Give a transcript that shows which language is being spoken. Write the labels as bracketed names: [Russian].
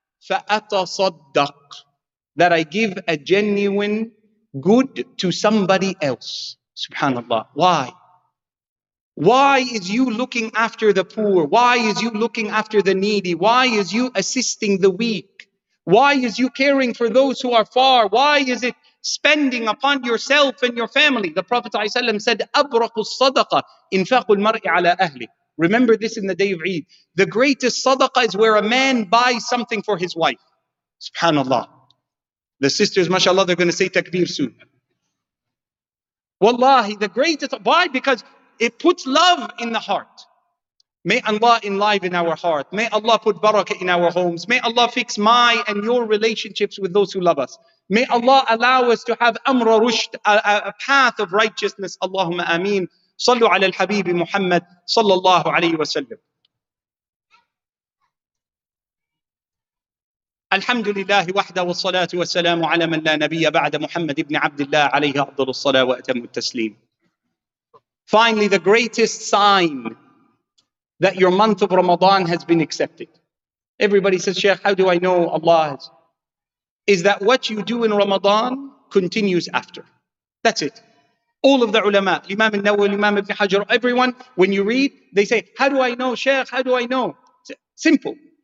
[Arabic] فأتصدق, [English] that I give a genuine good to somebody else. Subhanallah. Why? Why is you looking after the poor? Why is you looking after the needy? Why is you assisting the weak? Why is you caring for those who are far? Why is it spending upon yourself and your family? The Prophet ﷺ said, [Arabic] أبرق الصدقة إنفاق المرء على أهله. [English] Remember this in the day of Eid. The greatest sadaqah is where a man buys something for his wife. Subhanallah. The sisters, mashallah, they're going to say takbir soon. Wallahi, the greatest. Why? Because it puts love in the heart. May Allah enliven our heart. May Allah put barakah in our homes. May Allah fix my and your relationships with those who love us. May Allah allow us to have amra rushd, a path of righteousness. Allahumma ameen. [Arabic] صلوا على الحبيب محمد صلى الله عليه وسلم الحمد لله وحده والصلاة والسلام على من لا نبي بعد محمد ابن عبد الله عليه أفضل الصلاة وأتم التسليم. [English] Finally, the greatest sign that your month of Ramadan has been accepted. Everybody says, Shaykh, how do I know Allah has? Is that what you do in Ramadan continues after. That's it. All of the ulama, Imam al-Nawawi, Imam ibn Hajar, everyone, when you read, they say, how do I know, Shaykh, how do I know? Simple.